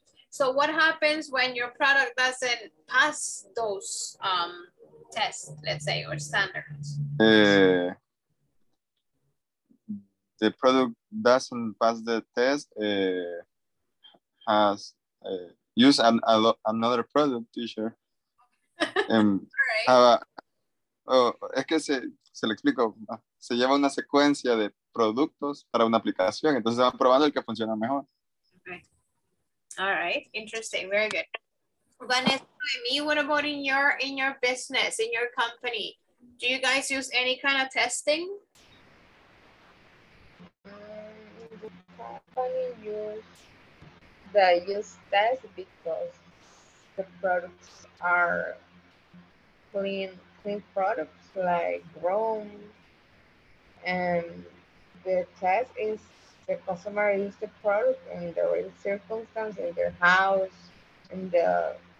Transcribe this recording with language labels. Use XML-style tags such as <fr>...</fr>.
<en>So what happens when your product doesn't pass those tests, let's say, or standards? The product doesn't pass the test, has use another product, teacher. Right.</en> <es>Es que se le explico, se lleva una secuencia de productos para una aplicación, entonces van probando el que funciona mejor.</es> <en>Okay. All right, interesting, very good. Vanessa, what about in your business, in your company? Do you guys use any kind of testing? The company use tests because the products are clean products like Rome, and the test is the customer use the product in the real circumstance in their house, in the</en>